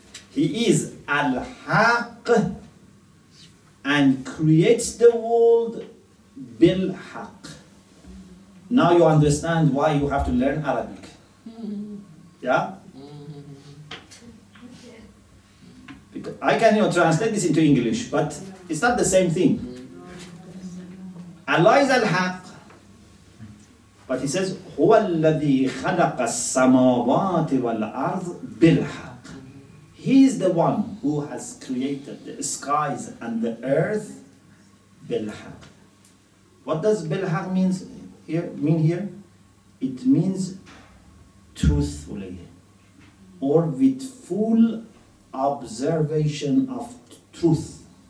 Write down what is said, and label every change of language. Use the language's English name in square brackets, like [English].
[English] He is al-haq and creates the world bil-haq. Now you understand why you have to learn Arabic. Yeah? Because I can, you know, translate this into English, but it's not the same thing. Allah is al-haq, but he says, [Arabic] هو الذي خلق السماوات والأرض بالحق. [English] He is the one who has created the skies and the earth بالحق. What does بالحق means here, mean here? It means truthfully or with full observation of truth.